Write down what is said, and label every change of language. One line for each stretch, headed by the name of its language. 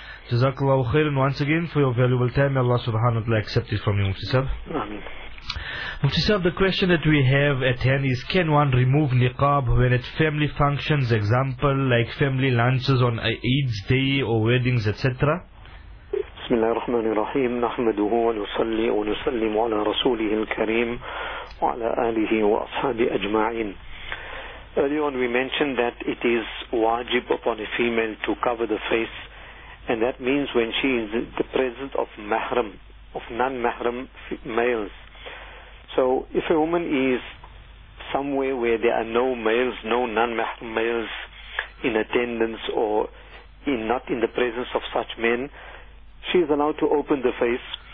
English: Jazakallahu khairan once again for your valuable time. May Allah subhanahu wa ta'ala accept it from you, Mufti Sahib. Amen. Mufti Sahib, the question that we have at hand is, can one remove niqab when at family functions, example like family lunches on Eid's day or weddings, etc.?
Arabic: بسم الله الرحمن الرحيم نحمده ونصلي ونسلم على رسوله الكريم وعلى آله وأصحابه أجمعين.
English: Early on we mentioned that it is wajib upon a female to cover the face, and that means when she is in the presence of mahram, of non-mahram males. So if a woman is somewhere where there are no males, no non-mahram males in attendance, or in not in the presence of such men, she is allowed to open the face.